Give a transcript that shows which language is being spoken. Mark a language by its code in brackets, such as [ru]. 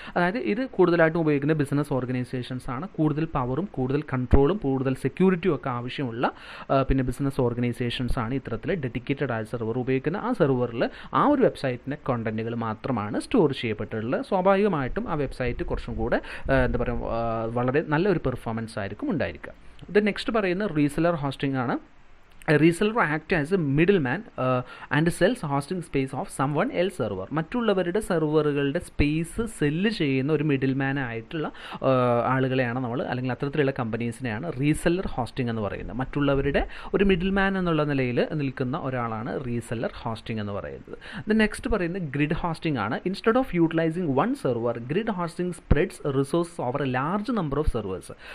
[ml] അതായത് ഇത് കൂടുതലായിട്ടും ഉപയോഗിക്കുന്ന ബിസിനസ് ഓർഗനൈസേഷൻസ് ആണ്. കൂടുതൽ പവറും കൂടുതൽ കൺട്രോളും കൂടുതൽ സെക്യൂരിറ്റിയും ഒക്കെ ആവശ്യമുള്ള പിന്നെ ബിസിനസ് ഓർഗനൈസേഷൻസ് ആണ് ഇത്തരത്തിൽ ഡെഡിക്കേറ്റഡ് ആയ സെർവർ ഉപയോഗിക്കുന്നത്. ആ സെർവറിൽ ആ ഒരു വെബ്സൈറ്റിൻ്റെ കണ്ടന്റുകൾ മാത്രമാണ് സ്റ്റോർ ചെയ്യപ്പെട്ടിട്ടുള്ളത്. സ്വാഭാവികമായിട്ടും ആ വെബ്സൈറ്റ് കുറച്ചും കൂടെ എന്താ പറയുക വളരെ നല്ലൊരു പെർഫോമൻസ് ആയിരിക്കും ഉണ്ടായിരിക്കുക. ദെൻ നെക്സ്റ്റ് പറയുന്ന റീസെലർ ഹോസ്റ്റിംഗ് ആണ്. [en] A reseller acts as a middleman and sells hosting space of someone else server. [ml] മറ്റുള്ളവരുടെ സെർവറുകളുടെ സ്പേസ് സെല്ല് ചെയ്യുന്ന ഒരു മിഡിൽമാൻ ആയിട്ടുള്ള ആളുകളെയാണ് നമ്മൾ, അല്ലെങ്കിൽ അത്തരത്തിലുള്ള കമ്പനീസിനെയാണ് റീസെല്ലർ ഹോസ്റ്റിംഗ് എന്ന് പറയുന്നത്. മറ്റുള്ളവരുടെ ഒരു മിഡിൽമാൻ എന്നുള്ള നിലയിൽ നിൽക്കുന്ന ഒരാളാണ് റീസെല്ലർ ഹോസ്റ്റിംഗ് എന്ന് പറയുന്നത്. [en] the next [ml] പറയുന്നത് [en] grid hosting [ml] ആണ്. [en] Instead of utilising one server, grid hosting spreads resource over a large number of servers.